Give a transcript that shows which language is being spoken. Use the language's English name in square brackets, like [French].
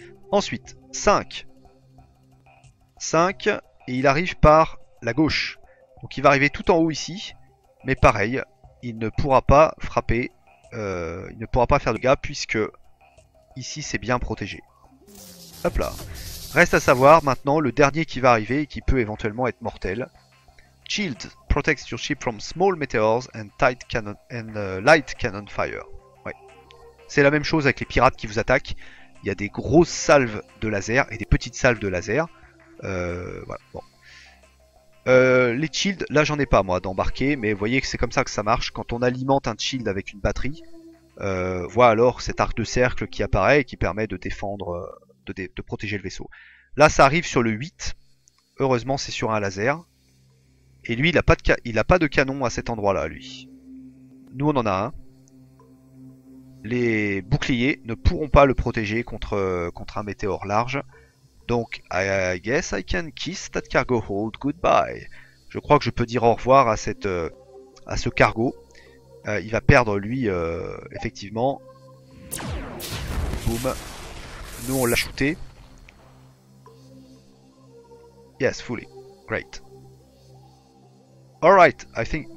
[French] Ensuite, 5. 5, et il arrive par la gauche. Donc il va arriver tout en haut ici, mais pareil, il ne pourra pas frapper, il ne pourra pas faire de dégâts puisque ici c'est bien protégé. Hop là. Reste à savoir maintenant le dernier qui va arriver et qui peut éventuellement être mortel. [English] Shield protects your ship from small meteors and tight cannon and light cannon fire. [French] Ouais. C'est la même chose avec les pirates qui vous attaquent. Il y a des grosses salves de laser et des petites salves de laser. Voilà. Bon. Les shield, là j'en ai pas moi d'embarquer, mais vous voyez que c'est comme ça que ça marche. Quand on alimente un shield avec une batterie, voit alors cet arc de cercle qui apparaît et qui permet de défendre. De protéger le vaisseau. Là, ça arrive sur le 8. Heureusement, c'est sur un laser. Et lui, il a pas de canon à cet endroit-là, lui. Nous, on en a un. Les boucliers ne pourront pas le protéger contre un météore large. [English] Donc, I guess I can kiss that cargo hold goodbye. [French] Je crois que je peux dire au revoir à ce cargo. Il va perdre, lui, effectivement. Boum. Nous on l'a shooté. [English] Yes, fully. Great. Alright, I think.